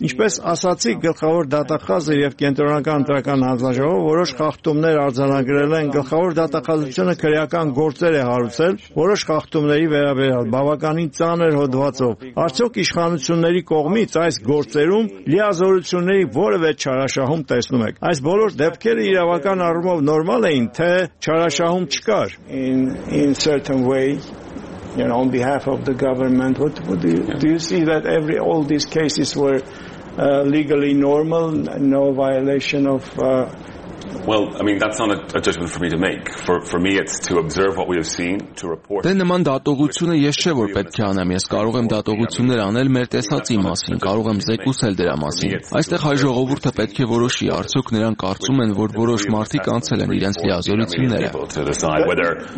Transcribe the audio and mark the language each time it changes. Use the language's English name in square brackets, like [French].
[Armenian] Ինչպես ասացի, գլխավոր դատախազը եւ կենտրոնական ընտրական հանձնաժողովը որոշ խախտումներ արձանագրել են։ Գլխավոր դատախազությունը քրեական գործեր է հարուցել որոշ խախտումների վերաբերյալ բավականին ծանր հոդվածով։ Արդյոք իշխանությունների կողմից այս գործերում լիազորությունների որևէ չարաշահում տեսնում եք։ Այս բոլոր դեպքերը իրավական առումով նորմալ էին, թե չարաշահում չկար։ [English] In certain way, on behalf of the government, do you see that all these cases were legally normal, no violation of? Well, I mean, that's not a judgment for me to make. For me, it's to observe what we have seen, to report. [Armenian] Դեն նման դատողությունը ես չէ որ պետք է անեմ, ես կարող եմ դատողություններ անել մեր տեսածի մասին, կարող եմ զեկուցել դրա մասին։ Այստեղ հայ ժողովուրդը պետք է որոշի, արդյոք նրանք կարծում են, որ որոշ մարդիկ անցել են իրենց լիազորությունները։